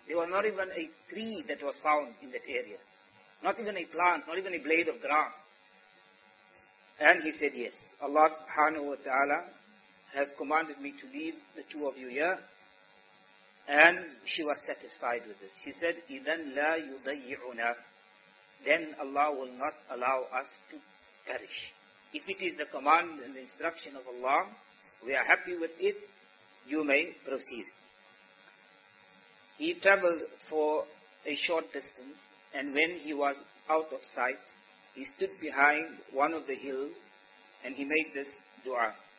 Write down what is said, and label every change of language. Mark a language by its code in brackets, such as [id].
[en] There was not even a tree that was found in that area. Not even a plant, not even a blade of grass. And he said, yes, Allah subhanahu wa ta'ala has commanded me to leave the two of you here. And she was satisfied with this. She said, [ar] إِذَنْ لَا يُضَيِّعُنَا. [en] Then Allah will not allow us to perish. If it is the command and the instruction of Allah, we are happy with it, you may proceed. He traveled for a short distance, and when he was out of sight, he stood behind one of the hills and he made this dua.